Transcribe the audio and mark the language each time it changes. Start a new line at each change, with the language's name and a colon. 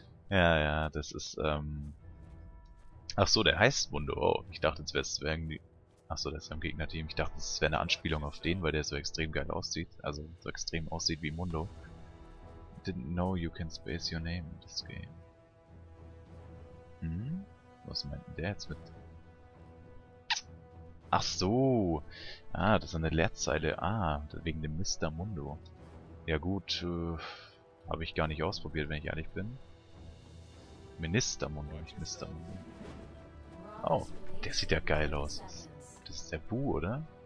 German: ja, das ist, der heißt Mundo. Oh, ich dachte, es wäre irgendwie. Achso, das ist ja im Gegnerteam. Ich dachte, es wäre eine Anspielung auf den, weil der so extrem geil aussieht. Also, so extrem aussieht wie Mundo.
English: Didn't know you can space your name in this game.
German: Was meint denn der jetzt mit? Ach so. Ah, das ist eine Leerzeile. Ah, wegen dem Mr. Mundo. Ja gut, habe ich gar nicht ausprobiert, wenn ich ehrlich bin. Minister Mundo, nicht Mr. Mundo. Oh, der sieht ja geil aus. Das ist der Buu, oder?